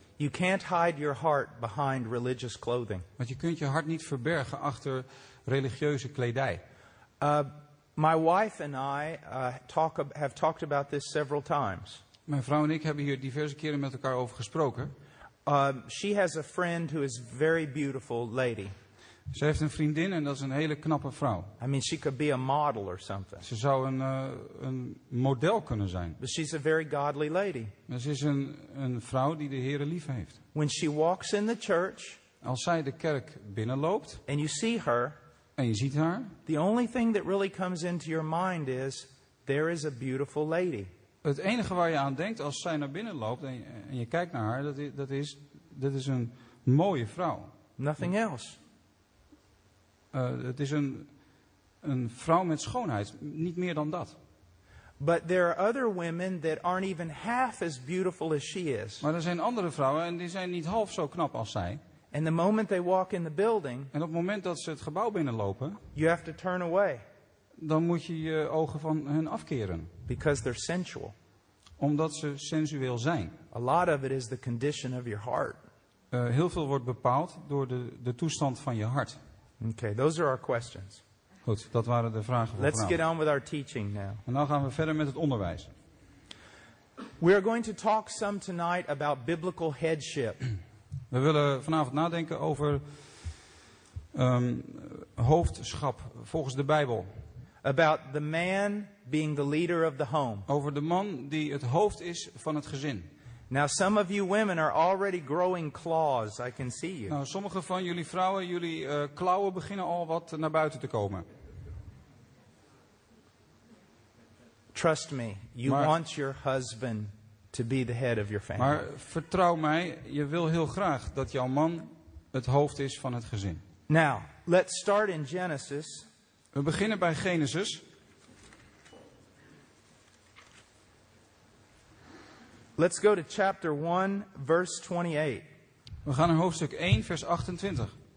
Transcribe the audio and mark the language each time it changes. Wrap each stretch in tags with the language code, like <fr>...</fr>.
<en>You can't hide your heart behind religious clothing.</en> <nl>Want je kunt je hart niet verbergen achter religieuze kledij.</nl> <en>My wife and I have talked about this several times.</en> <nl>Mijn vrouw en ik hebben hier diverse keren met elkaar over gesproken.</nl> <en>She has a friend who is very beautiful lady.</en> <nl>Ze heeft een vriendin en dat is een hele knappe vrouw.</nl> <en>I mean, she could be a model or something.</en> <nl>Ze zou een model kunnen zijn.</nl> <en>But she's a very godly lady.</en> <nl>Maar ze is een vrouw die de Heere lief heeft.</nl> <en>When she walks in the church,</en> <nl>als zij de kerk binnenloopt,</nl> <en>and you see her,</en> <nl>en je ziet haar,</nl> <en>the only thing that really comes into your mind is there is a beautiful lady.</en> <nl>Het enige waar je aan denkt als zij naar binnen loopt en je kijkt naar haar, dat is een mooie vrouw.</nl> <en>Nothing else.</en> <nl>Het is een vrouw met schoonheid, niet meer dan dat.</nl> <en>But there are other women that aren't even half as beautiful as she is.</en> <nl>Maar er zijn andere vrouwen en die zijn niet half zo knap als zij.</nl> <en>And the moment they walk in the building,</en> <nl>en op het moment dat ze het gebouw binnenlopen,</nl> <en>you have to turn away.</en> <nl>Dan moet je je ogen van hen afkeren.</nl> <en>Because they're sensual.</en> <nl>Omdat ze sensueel zijn.</nl> <en>A lot of it is the condition of your heart.</en> <nl>Heel veel wordt bepaald door de toestand van je hart.</nl> <en>Okay, those are our questions.</en> <nl>Goed, dat waren de vragen voor</nl> <en>Let's</en> <nl>vanavond.</nl> <en>Get on with our teaching now.</en> <nl>En nou gaan we verder met het onderwijs.</nl> <en>We are going to talk some tonight about biblical headship.</en> <nl>We willen vanavond nadenken over hoofdschap volgens de Bijbel.</nl> <en>About the man being the leader of the home.</en> <nl>Over de man die het hoofd is van het gezin.</nl> <en>Now some of you women are already growing claws. I can see you.</en> <nl>Nou, sommige van jullie vrouwen, jullie klauwen beginnen al wat naar buiten te komen.</nl> <en>Trust me, want your husband to be the head of your family.</en> <nl>Maar vertrouw mij, je wil heel graag dat jouw man het hoofd is van het gezin.</nl> <en>Now, let's start in Genesis.</en> <nl>We beginnen bij Genesis.</nl> <en>Let's go to chapter 1, verse 28.</en> <nl>We gaan naar hoofdstuk 1, vers 28.</nl>